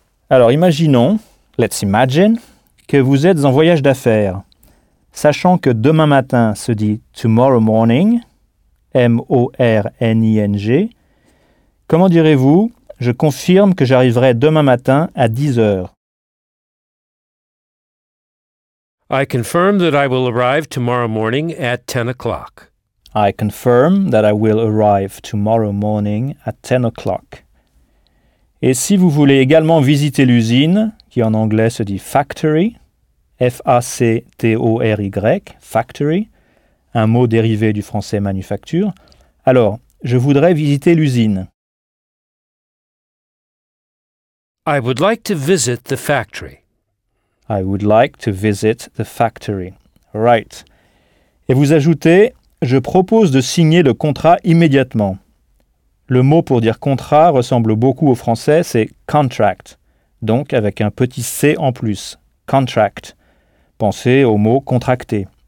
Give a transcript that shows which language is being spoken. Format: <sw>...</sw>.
<fr>Alors imaginons,</fr> <en>let's imagine,</en> <fr>que vous êtes en voyage d'affaires. Sachant que demain matin se dit</fr> <en>tomorrow morning,</en> <fr>M-O-R-N-I-N-G, comment direz-vous je confirme que j'arriverai demain matin à 10 heures?</fr> <en>I confirm that I will arrive tomorrow morning at 10 o'clock. I confirm that I will arrive tomorrow morning at 10 o'clock.</en> <fr>Et si vous voulez également visiter l'usine, qui en anglais se dit factory, F-A-C-T-O-R-Y, factory, un mot dérivé du français manufacture, alors, je voudrais visiter l'usine.</fr> <en>I would like to visit the factory. I would like to visit the factory. Right.</en> <fr>Et vous ajoutez, je propose de signer le contrat immédiatement. Le mot pour dire contrat ressemble beaucoup au français, c'est contract. Donc avec un petit C en plus. Contract. Pensez au mot contracté.</fr>